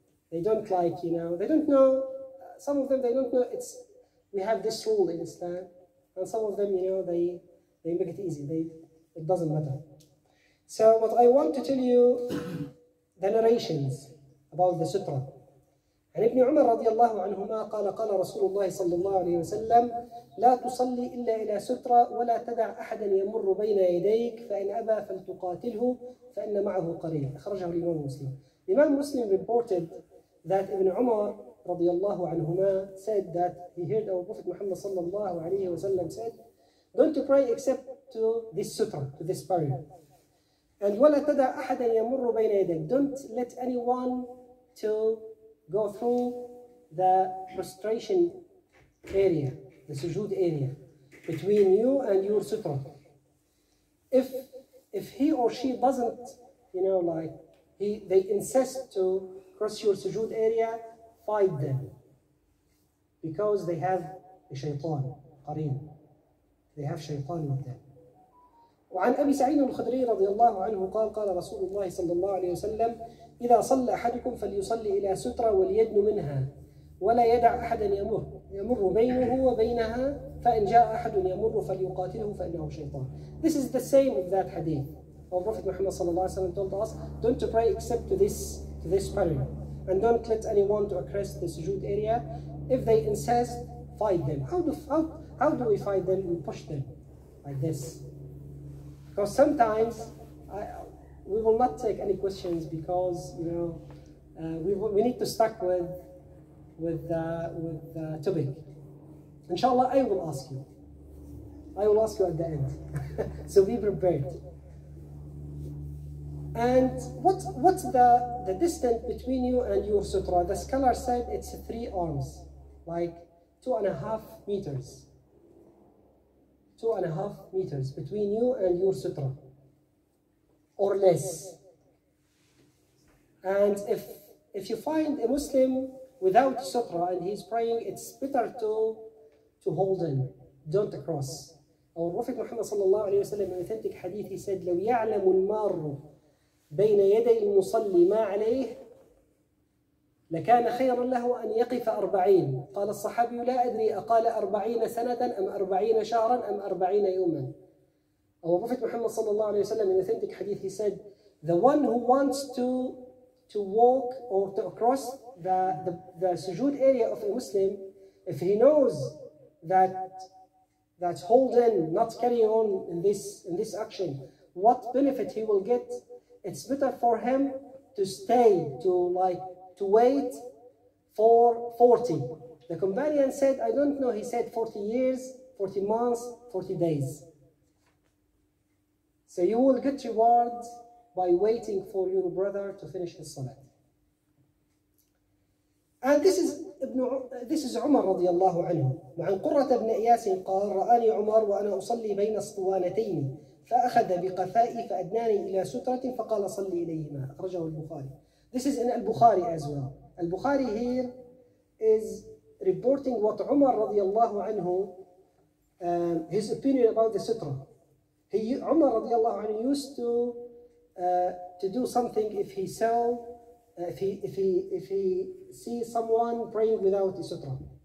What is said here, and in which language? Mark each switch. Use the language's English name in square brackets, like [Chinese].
[English] They don't like, you know, they don't know, some of them, they don't know it's, we have this rule in Islam. And some of them, you know, they make it easy, it doesn't matter. So what I want to tell you, the narrations about the sutra. [Arabic] عن ابن عمر رضي الله عنهما قال قال رسول الله صلى الله عليه وسلم لا تصلي إلا إلى سترة ولا تدع أحدا يمر بين يديك فإن أبى فلتقاتله فإن معه قرين. أخرجه الإمام مسلم. [English] الإمام مسلم reported that ابن عمر رضي الله عنهما said that he heard our Prophet Muhammad صلى الله عليه وسلم said don't pray except to this sutra, to this prayer. And [Arabic] ولا تدع أحدا يمر بين يديك. [English] Don't let anyone to go through the prostration area, the sujood area, between you and your sutra. If he or she doesn't, you know, like, they insist to cross your sujood area, fight them. Because they have a shaytan, qareen. They have shaytan with them. [Arabic] وعن أبي سعيد الخدري رضي الله عنه قال قال رسول الله صلى الله عليه وسلم إذا صلى أحدكم فليصلي إلى سترة وليدن منها ولا يدع أحدا يمر بينه وبينها فإن جاء أحد يمر فليقاتله فإنه شيطان. [English] This is the same of that hadith. Our Prophet Muhammad صلى الله عليه وسلم told us don't pray except to this prayer, and don't let anyone to across the sujood area. If they insist, fight them. How do we fight them? We push them like this. Because sometimes we will not take any questions, because you know we need to stuck with the topic. Inshallah, I will ask you at the end. So be prepared. And what's the distance between you and your sutra? The scholar said it's three arms, like 2.5 meters. 2.5 meters between you and your sutra, or less. And if you find a Muslim without sutra and he's praying, it's better to hold him. Don't cross. Our Prophet Muhammad sallallahu alayhi wa sallam, in authentic hadith, he said, [Arabic] لو يعلم المار بين يدي المصلي ما عليه لكان خيرا له أن يقف 40. قال الصحابي لا أدري أقال 40 سنة أم 40 شهرا أم 40 يوما. [English] Our Prophet Muhammad sallallahu alayhi wa sallam, in authentic hadith, he said, the one who wants to walk or to cross the sujood area of a Muslim, if he knows that holding, not carrying on in this action, what benefit he will get, it's better for him to stay, to wait for 40. The companion said, I don't know, he said 40 years, 40 months, 40 days. So you will get reward by waiting for your brother to finish his salat. And this is Umar radiallahu anhu. [Arabic] وعن قرة ابن إياس قال رآني عمر وأنا أصلي بين أسطوانتين فأخذ بقفائي فأدناني إلى سترة فقال صلي إليهما. أخرجه البخاري. [English] This is in Al-Bukhari as well. Al-Bukhari here is reporting what Umar radiallahu anhu, his opinion about the sutra. Umar radiallahu anhu used to do something if he saw, if he see someone praying without a sutra.